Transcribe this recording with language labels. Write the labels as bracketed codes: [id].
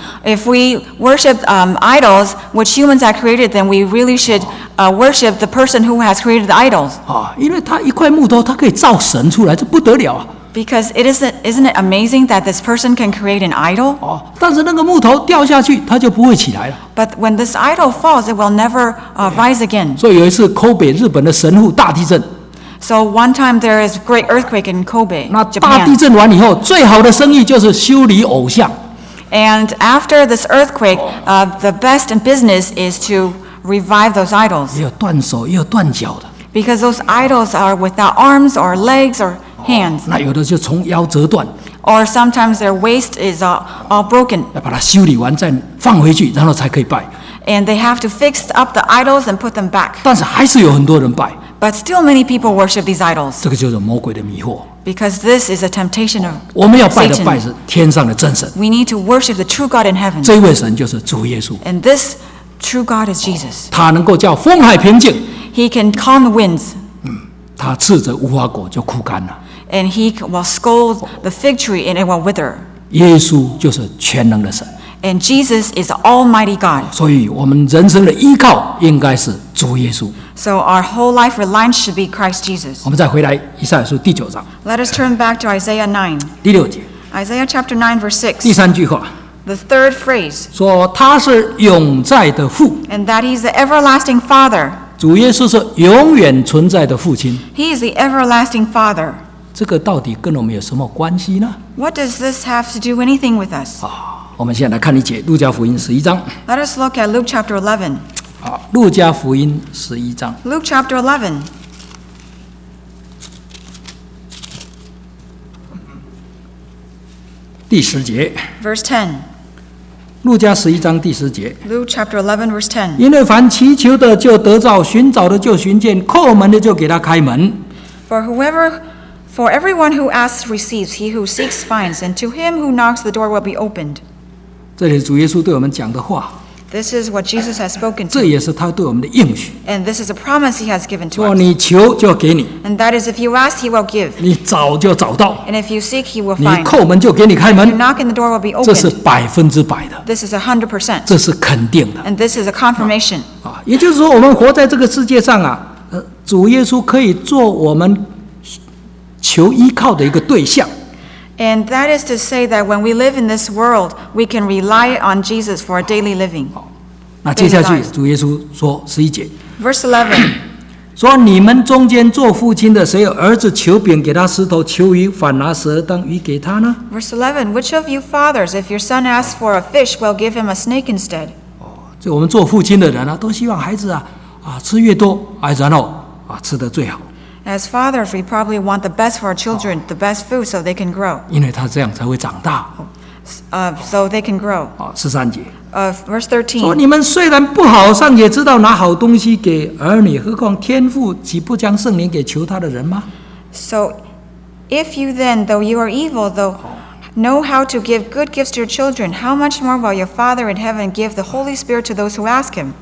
[en] If we worship idols which humans have created, then we really should worship the person who has created the idols. [zh] 因为他一块木头，他可以造神出来，这不得了啊！ [en] Because isn't it amazing that this person can create an idol? [zh] 但是那个木头掉下去，它就不会起来了。 [en] But when this idol falls, it will never rise again. [zh] 所以有一次 Kobe 日本的神户大地震。 [en] So one time there is great earthquake in Kobe, Japan. [zh] 那大地震完以后，最好的生意就是修理偶像。 [en] And after this earthquake, the best in business is to revive those idols. [zh] 又断手又断脚的。 [en] Because those idols are without arms or legs or hands. [zh] 那有的就从腰折断。 [en] Or sometimes their waist is all broken. [zh] 要把它修理完再放回去，然后才可以拜。 [en] And they have to fix up the idols and put them back. [zh] 但是还是有很多人拜。 [en] But still many people worship these idols. [zh] 这个就是魔鬼的迷惑。 [en] Because this is a temptation of Satan. [zh] 我们要拜的拜是天上的真神。 [en] We need to worship the true God in heaven. [zh] 这位神就是主耶稣。 [en] And this true God is Jesus. [zh] 他能够叫风海平静。 [en] He can calm the winds. [zh] 他斥责无花果就枯干了。 [en] And he will scold the fig tree and it will wither. [zh] 耶稣就是全能的神。 [en] And Jesus is Almighty God. [zh] 所以我们人生的依靠应该是主耶稣。 [en] So our whole life reliance should be Christ Jesus. [zh] 我们再回来以赛亚书第九章。 [en] Let us turn back to Isaiah 9. [zh] 第六节。 [en] Isaiah chapter 9 verse 6. [zh] 第三句话。 [en] The third phrase. [zh] 说他是永在的父。 [en] And that he's the everlasting father. [zh] 主耶稣是永远存在的父亲。 [en] He is the everlasting father. [zh] 这个到底跟我们有什么关系呢？ [en] What does this have to do anything with us? [zh] 我们现在来看一节路加福音十一章。 [en] Let us look at Luke chapter 11. [zh] 好，路加福音十一章。 [en] Luke chapter 11. [zh] 第十节。 [en] Verse 10. [zh] 路加十一章第十节。 [en] Luke chapter 11 verse 10. [zh] 因为凡祈求的就得着，寻找的就寻见，叩门的就给他开门。 [en] For everyone who asks receives, he who seeks finds, and to him who knocks the door will be opened. [zh] 这里是主耶稣对我们讲的话。 [en] This is what Jesus has spoken to. [zh] 这也是他对我们的应许。 [en] And this is a promise he has given to us. [zh] 说你求就要给你。 [en] And that is if you ask, he will give. [zh] 你找就找到。 [en] And if you seek, he will find. [zh] 你叩门就给你开门。 [en] If you knock, and the door will be opened. [zh] 这是百分之百的。 [en] This is 100%. [zh] 这是肯定的。 [en] And this is a confirmation. [zh] 也就是说我们活在这个世界上啊，主耶稣可以做我们求依靠的一个对象。 [en] And that is to say that when we live in this world, we can rely on Jesus for our daily living. [zh] 那接下去主耶稣说十一节。 [en] Verse 11. [zh] 说你们中间做父亲的，谁有儿子求饼给他石头，求鱼反拿蛇，当鱼给他呢？ [en] Verse 11. Which of you fathers, if your son asks for a fish, will give him a snake instead? [zh] 就我们做父亲的人啊，都希望孩子啊，吃越多，然后吃得最好。 [en] As fathers, we probably want the best for our children, the best food, so they can grow. [zh] 因为他这样才会长大。 [en] So they can grow. [zh] 十三节。 [en] Verse 13. [zh] 说你们虽然不好，尚且知道拿好东西给儿女，何况天父岂不将圣灵给求他的人吗？ [en] So if you then, though you are evil, though know how to give good gifts to your children, how much more will your Father in heaven give the Holy Spirit to those who ask him?